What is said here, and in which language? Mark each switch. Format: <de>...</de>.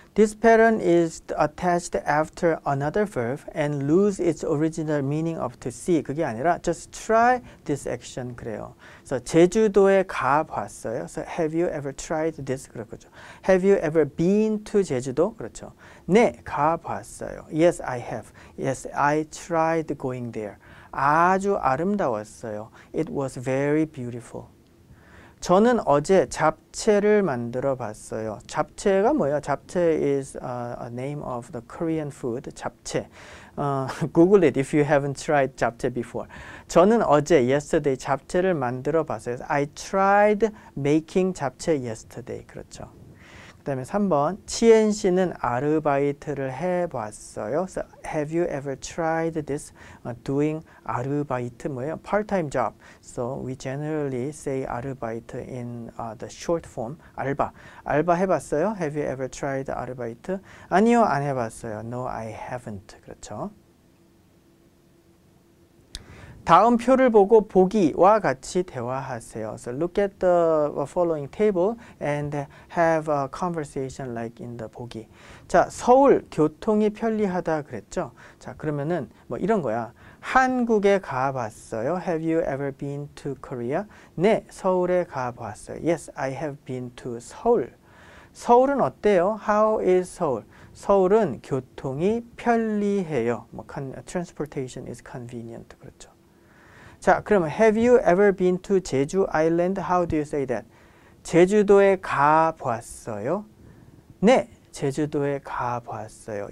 <en>This pattern is attached after another verb and lose its original meaning of to see.</en> <ko>그게 아니라</ko> <en>just try this action</en> <ko>그래요.</ko> <en>So</en> <ko>제주도에 가 봤어요.</ko> <en>So have you ever tried this?</en> <ko>그런 거죠.</ko> <en>Have you ever been to 제주도?</en> <ko>그렇죠. 네, 가 봤어요.</ko> <en>Yes, I have. Yes, I tried going there.</en> <ko>아주 아름다웠어요.</ko> <en>It was very beautiful.</en> <ko>저는 어제 잡채를 만들어 봤어요. 잡채가 뭐야?</ko> <en>잡채 is a name of the Korean food, 잡채. Google it if you haven't tried 잡채 before.</en> <ko>저는 어제,</ko> <en>yesterday,</en> <ko>잡채를 만들어 봤어요.</ko> <en>I tried making 잡채 yesterday.</en> <ko>그렇죠. 그 다음에 3번, 치엔 씨는 아르바이트를 해봤어요.</ko> <en>So, have you ever tried this doing 아르바이트?</en> <ko>뭐예요?</ko> <en>Part-time job. So we generally say 아르바이트 in the short form, 알바.</en> <ko>알바 해봤어요?</ko> <en>Have you ever tried 아르바이트?</en> <ko>아니요, 안 해봤어요.</ko> <en>No, I haven't.</en> <ko>그렇죠. 다음 표를 보고 보기와 같이 대화하세요.</ko> <en>So look at the following table and have a conversation like in the 보기.</en> <ko>자, 서울 교통이 편리하다 그랬죠? 자, 그러면은 뭐 이런 거야. 한국에 가봤어요?</ko> <en>Have you ever been to Korea?</en> <ko>네, 서울에 가봤어요.</ko> <en>Yes, I have been to 서울.</en> <ko>서울은 어때요?</ko> <en>How is Seoul?</en> <ko>서울은 교통이 편리해요.</ko> <en>뭐, transportation is convenient.</en> <ko>그렇죠. 자, 그럼</ko> <en>have you ever been to Jeju Island? How do you say that?</en> <ko>제주도에 가보았어요? 네, 제주도에 가보았어요.</ko>